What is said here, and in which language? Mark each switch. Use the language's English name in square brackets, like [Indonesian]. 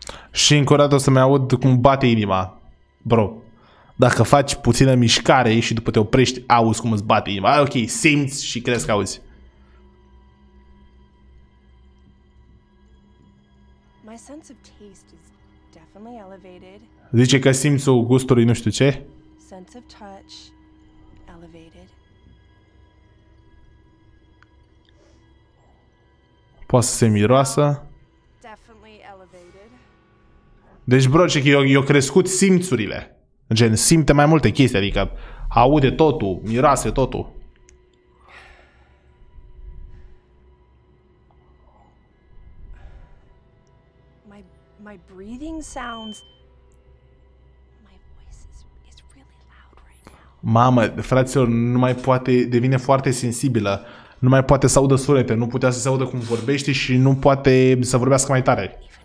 [Romanian] Și în curând o să-mi aud cum bate inima. Bro. Dacă faci puțină mișcare și după te oprești, auzi cum îți bate inima. Ok, simți și crezi că auzi. [English] My sense of taste is definitely elevated. [Romanian] Zice că simțul gustului nu știu ce. [English] Sense of touch elevated. [Romanian] Poate să se miroasă. [English] Definitely elevated. [Romanian] Deci, bro, ce că eu crescut simțurile. Gen, simte mai multe chestii, adică aude totul, miroase totul. [English] My breathing sounds. My voice is really loud right now. [Romanian] Mamă, fraților, nu mai poate, devine foarte sensibilă. Nu mai poate să audă sunete, nu putea să se audă cum vorbește și nu poate să vorbească mai tare.